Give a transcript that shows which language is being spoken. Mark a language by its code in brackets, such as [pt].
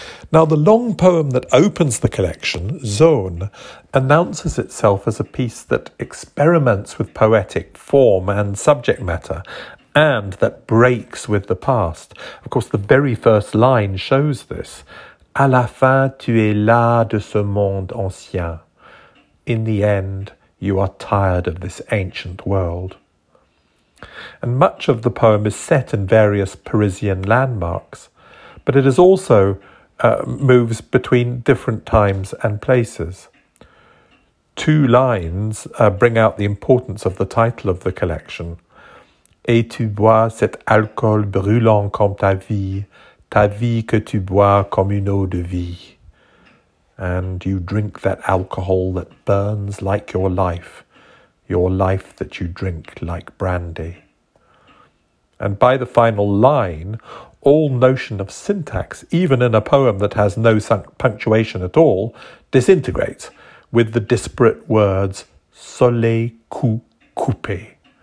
[en] Now, the long poem that opens the collection, Zone, announces itself as a piece that experiments with poetic form and subject matter, and that breaks with the past. Of course, the very first line shows this. [fr] À la fin, tu es las de ce monde ancien. [en] In the end, you are tired of this ancient world. And much of the poem is set in various Parisian landmarks, but it is also moves between different times and places. Two lines bring out the importance of the title of the collection. [fr] Et tu bois cet alcool brûlant comme ta vie que tu bois comme une eau de vie. [en] And you drink that alcohol that burns like your life that you drink like brandy. And by the final line, all notion of syntax, even in a poem that has no punctuation at all, disintegrates with the disparate words [fr] soleil coupé.